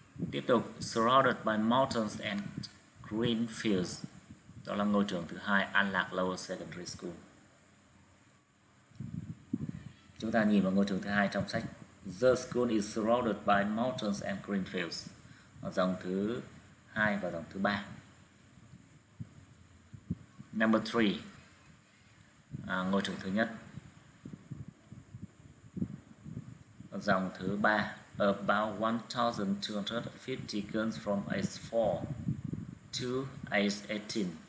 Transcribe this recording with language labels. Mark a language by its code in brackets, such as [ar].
[vi] Tiếp tục, [en] Surrounded by mountains and green fields. [vi] Đó là ngôi trường thứ hai, An Lạc Lower Secondary School. Chúng ta nhìn vào ngôi trường thứ hai trong sách. [en] The school is surrounded by mountains and green fields. [vi] Dòng thứ hai và dòng thứ ba. [en] Number 3, [vi] ngôi trường thứ nhất. Dòng thứ 3, [en] about 1,250 girls from age 4 to age 18.